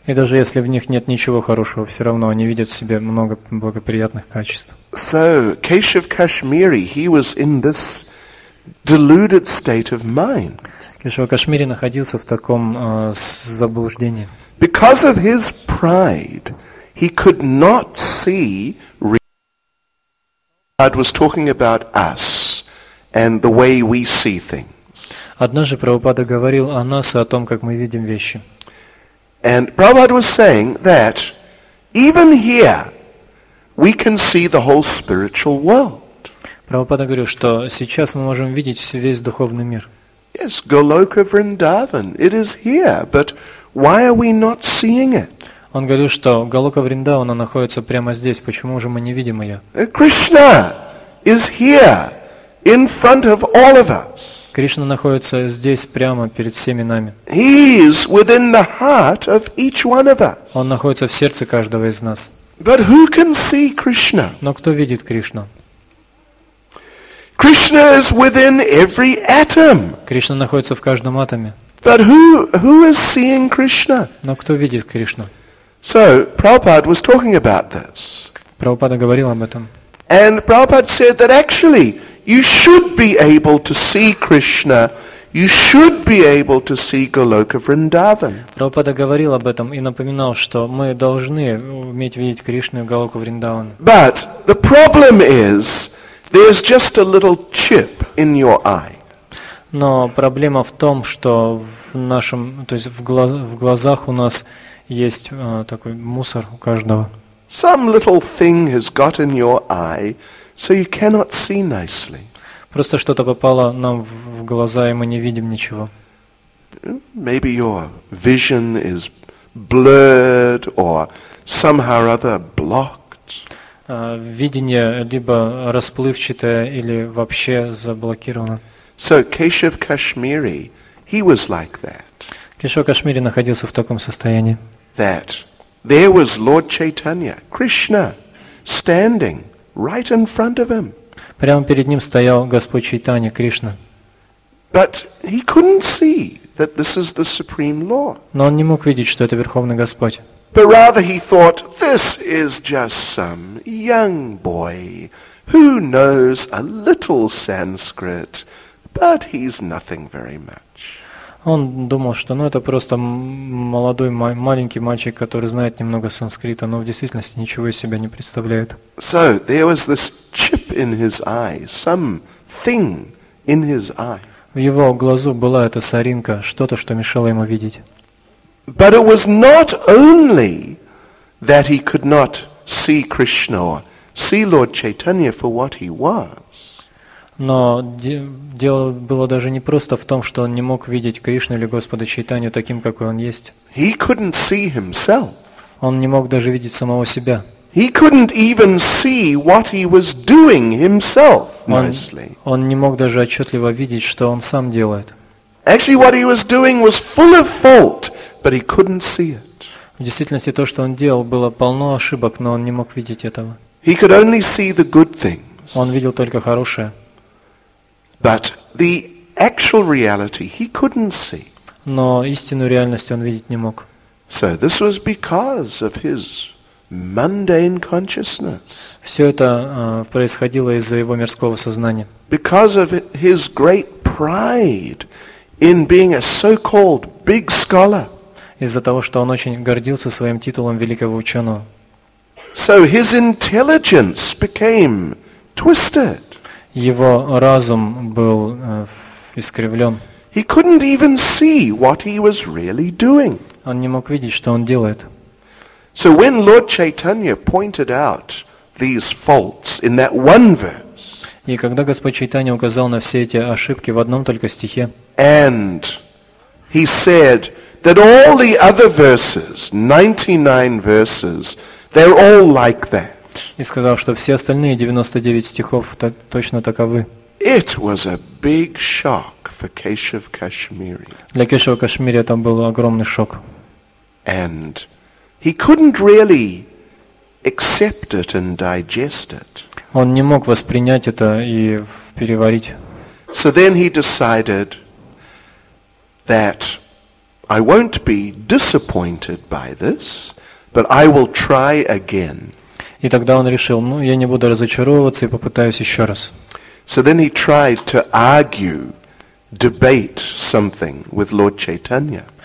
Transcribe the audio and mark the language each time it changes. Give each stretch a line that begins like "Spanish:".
Russian: И даже если в них нет ничего хорошего, все равно они видят в себе много благоприятных качеств.
English: So Keshav Kashmiri, he was in this deluded state of mind.
Russian: Кешава Кашмири находился в таком заблуждении.
English: Because of his pride, he could not see. God was talking about us and the way we see things.
Russian: Однажды Прабхупада говорил о нас и о том, как мы видим вещи.
English: And Prabhupada was saying that even here we can see the whole spiritual world.
Russian: Прабхупада говорил, что сейчас мы можем видеть весь духовный мир.
English: Yes, Goloka Vrindavan, it is here, but why are we not seeing it?
Russian: Он говорил, что Голока Вриндавана находится прямо здесь. Почему же мы не видим ее?
English: Krishna is here in front of all of us.
Russian: Кришна находится здесь прямо перед всеми нами.
English: He is within the heart of each one of us.
Russian: Он находится в сердце каждого из нас.
English: But who can see Krishna?
Russian: Но кто видит Кришну?
English: Krishna is within every atom.
Russian: Кришна находится в каждом атоме.
English: But who is seeing Krishna?
Russian: Но кто видит Кришну?
English: So Prabhupada was talking about this.
Russian: Прабхупада говорил об этом.
English: And Prabhupada said that actually you should be able to see Krishna, you should be able to see Goloka Vrindavan.
Russian: Прабхупада говорил об этом и напоминал, что мы должны уметь видеть Кришну и Голоку Вриндаван.
English: But the problem is there's just a little chip in your eye.
Russian: Но проблема в том, что в нашем, то есть в глазах у нас есть такой мусор у каждого.
English: Some little thing has got in your eye, so you cannot see nicely.
Russian: Просто что-то попало нам в глаза, и мы не видим ничего.
English: Maybe your vision is blurred or somehow or other blocked.
Russian: Видение либо расплывчатое, или вообще заблокировано.
English: So Keshav Kashmiri, he was like that.
Russian: Кешава Кашмири находился в таком состоянии.
English: That there was Lord Chaitanya, Krishna, standing right in front of him.
Russian: Прямо перед ним стоял Господь Чайтанья, Кришна.
English: But he couldn't see that this is the Supreme Lord.
Russian: Но он не мог видеть, что это Верховный Господь.
English: But rather he thought, this is just some young boy who knows a little Sanskrit, but he's nothing very much.
Russian: Он думал, что ну, это просто молодой маленький мальчик, который знает немного санскрита, но в действительности ничего из себя не представляет.
English: So there was this chip in his eye, some thing in his eye.
Russian: В его глазу была эта соринка, что-то, что мешало ему видеть.
English: But it was not only that he could not see Krishna, or see Lord Chaitanya for what he was.
Russian: Но дело было даже не просто в том, что он не мог видеть Кришну или Господа Чайтанью таким, какой он есть.
English: He couldn't see himself.
Russian: Он не мог даже видеть самого себя.
English: He couldn't even see what he was doing himself nicely.
Russian: Он не мог даже отчетливо видеть, что он сам делает.
English: Actually, what he was doing was full of fault, but he couldn't see it.
Russian: В действительности, то, что он делал, было полно ошибок, но он не мог видеть этого.
English: He could only see the good things.
Russian: Он видел только хорошее.
English: But the actual reality he couldn't see.
Russian: Но истинную реальность он видеть не мог.
English: So this was because of his mundane consciousness.
Russian: Все это происходило из-за его мирского сознания.
English: Because of his great pride in being a so-called big scholar.
Russian: Из-за того, что он очень гордился своим титулом великого ученого.
English: So his intelligence became twisted.
Russian: Его разум был искривлен.
English: He couldn't even see what he was really doing.
Russian: Он не мог видеть, что он делает.
English: So when Lord Chaitanya pointed out these faults in that one verse,
Russian: и когда Господь Чайтанья указал на все эти ошибки в одном только стихе,
English: and he said that all the other verses, 99 verses, they're all like that.
Russian: И сказал, что все остальные 99 стихов точно таковы.
English: It was a big shock for Keshav Kashmiri.
Russian: Для Кешава Кашмири это был огромный шок.
English: And he couldn't really accept it and digest it.
Russian: Он не мог воспринять это и переварить.
English: So then he decided that I won't be disappointed by this, but I will try again.
Russian: И тогда он решил, ну, я не буду разочаровываться и попытаюсь еще раз.
English: So then he tried to argue, debate something with Lord Chaitanya.